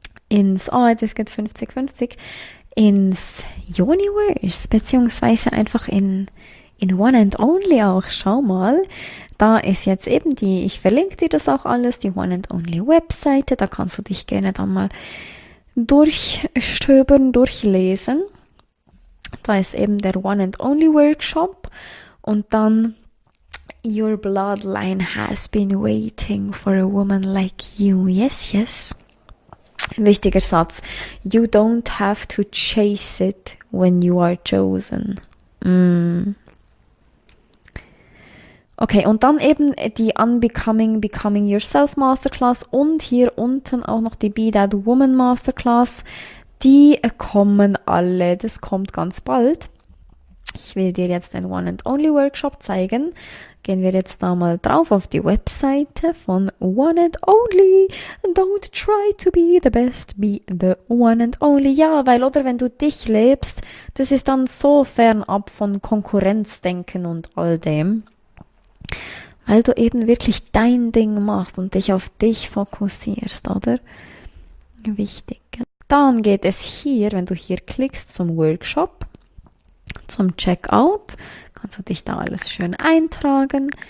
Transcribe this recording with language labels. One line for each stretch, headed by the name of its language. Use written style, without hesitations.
German: Jetzt ist es 50-50, ins Universe, beziehungsweise einfach in One and Only auch, schau mal, da ist jetzt eben die, ich verlinke dir das auch alles, die One and Only Webseite, da kannst du dich gerne dann mal durchstöbern, durchlesen, da ist eben der One and Only Workshop und dann
English: Your Bloodline has been waiting for a woman like you, yes, yes.
German: Wichtiger Satz,
English: you don't have to chase it when you are chosen.
German: Mm. Okay, und dann eben die Becoming Yourself Masterclass und hier unten auch noch die Be That Woman Masterclass. Die kommen alle, das kommt ganz bald. Ich will dir jetzt den One and Only Workshop zeigen. Gehen wir jetzt da mal drauf auf die Webseite von One and Only.
English: Don't try to be the best, be the one and only.
German: Ja, weil, oder wenn du dich lebst, das ist dann so fernab von Konkurrenzdenken und all dem. Weil du eben wirklich dein Ding machst und dich auf dich fokussierst, oder? Wichtig. Dann geht es hier, wenn du hier klickst, zum Workshop, zum Checkout, kannst du dich da alles schön eintragen.